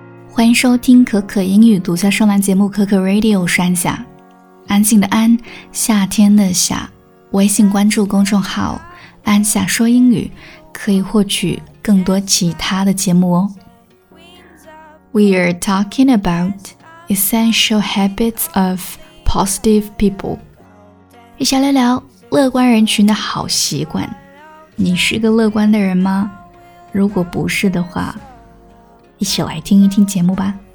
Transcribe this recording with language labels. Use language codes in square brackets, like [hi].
[zh] 欢迎收听可可英语独家专栏节目可可 Radio 山下，安静的安，夏天的夏。微信关注公众号安夏说英语，可以获取更多其他的节目哦。 [en] We are talking about essential habits of positive people， [zh] 一起来聊乐观人群的好习惯。你是个乐观的人吗？如果不是的话，一起来听一听节目吧。